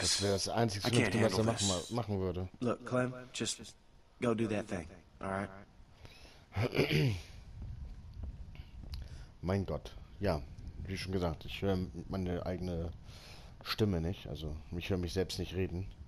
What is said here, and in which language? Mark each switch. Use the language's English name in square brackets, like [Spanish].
[German] Das wäre das einzige Vernünftige, was er machen würde. [English] Look, Clem, just go do that thing, alright? [German] Mein Gott. Ja, wie schon gesagt, ich höre meine eigene Stimme nicht, also ich höre mich selbst nicht reden.